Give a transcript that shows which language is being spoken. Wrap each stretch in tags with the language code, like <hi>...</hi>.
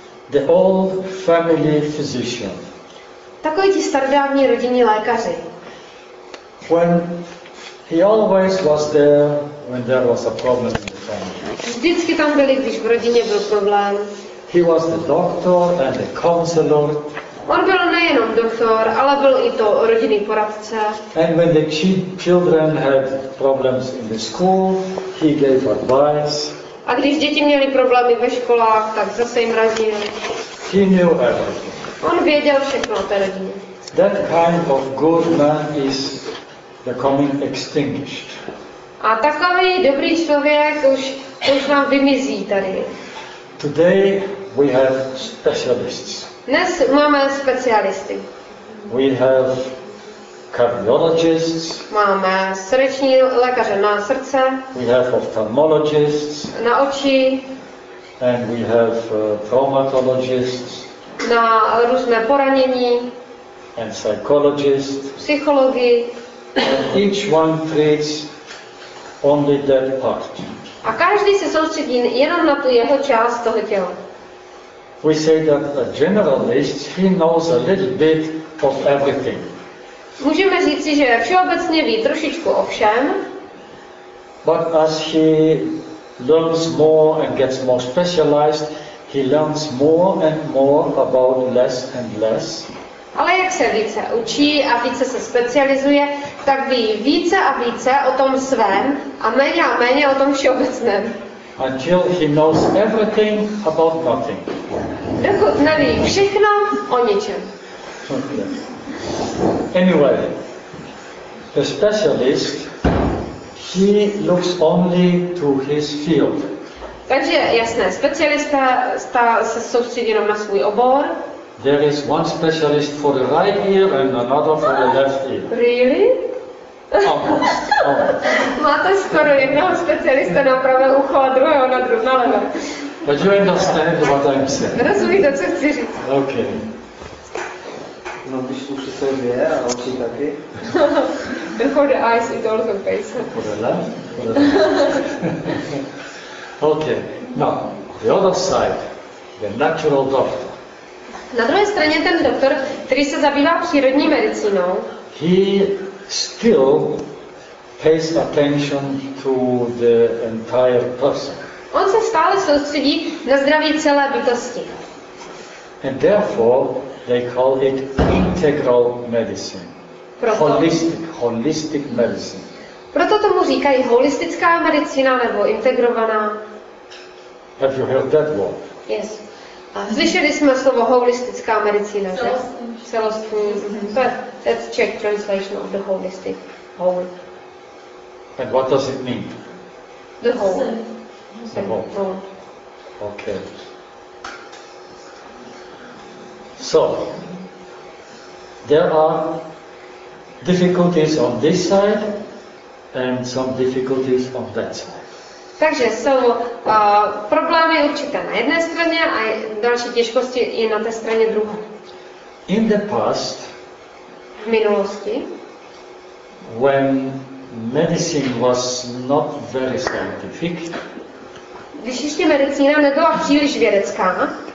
<en>The old family physician.</en> <cs>Takový ti starodávní rodinní lékaři.</cs> <en>When he always was there when there was a problem in the family.</en> <cs>Vždycky tam byli, když v rodině byl problém.</cs> <en>He was the doctor and the counselor.</en> <cs>On byl nejenom doktor, ale byl i to rodinný poradce.</cs> <en>And when the children had problems in the school, he gave advice.</en> <cs>A když děti měly problémy ve školách, tak zase jim radil.</cs> <en>He knew everything.</en> <cs>On věděl všechno o té rodině.</cs> <en>That kind of good man is becoming extinguished.</en> <cs>A takový dobrý člověk už nám vymizí tady.</cs> <en>Today we have specialists.</en> <cs>Dnes máme specialisty.</cs> <en>We have cardiologists.</en> <cs>Máme srdeční lékaře na srdce.</cs> <en>We have ophthalmologists.</en> <cs>Na oči.</cs> <en>And we have traumatologists.</en> <cs>Na různé poranění.</cs> <en>And psychologists.</en> <cs>Psychologi.</cs> <en>Each one treats only that part.</en> <cs>A každý se soustředí jenom na tu jeho část toho těla.</cs> <en>We say that a generalist, he knows a little bit of everything.</en> <cs>Můžeme říci, že všeobecně ví trošičku o všem.</cs> <en>But as he learns more and gets more specialized, he learns more and more about less and less.</en> <cs>Ale jak se více učí a více se specializuje, tak ví více a více o tom svém a méně o tom všeobecném.</cs> <en>Until he knows everything about nothing.</en> <cs>Dokud neví všechno o ničem.</cs> <en>Anyway, the specialist, he looks only to his field.</en> <cs>Takže jasné, specialista se soustředí jenom na svůj obor.</cs> <en>There is one specialist for the right ear and another for the left ear. Really? Almost.</en> <cs>Máte skoro jednoho specialista na pravé ucho a druhého na druhé levé.</cs> <en>But you understand what I'm saying.</en> <cs>Rozumíte, co chci říct.</cs> <en>Okay.</en> <cs>No, když sluši se dvě a oči taky.</cs> <en>Before the eyes, it also pays. For the left? Okay. Now, the other side, the natural doctor.</en> <cs>Na druhé straně ten doktor, který se zabývá přírodní medicínou.</cs> <en>He still pays attention to the entire person.</en> <cs>On se stále soustředí na zdraví celé bytosti.</cs> <en>And therefore they call it integral medicine.</en> <cs>Proto?</cs> <en>Holistic medicine.</en> <cs>Proto tomu říkají holistická medicína nebo integrovaná.</cs> <en>Have you heard that word? Yes.</en> <cs>Slyšeli jsme slovo holistická medicína, že? Celostní.</cs> <en>That's Czech translation of the holistic. Whole. And what does it mean? The whole. The whole. Okay. So, there are difficulties on this side and some difficulties on that side.</en> <cs>Takže jsou problémy určité na jedné straně a další těžkosti i na té straně druhé.</cs> <en>In the past,</en> <cs>v minulosti,</cs> <en>when medicine was not very scientific,</en> <cs>když ještě medicína nebyla příliš vědecká,</cs>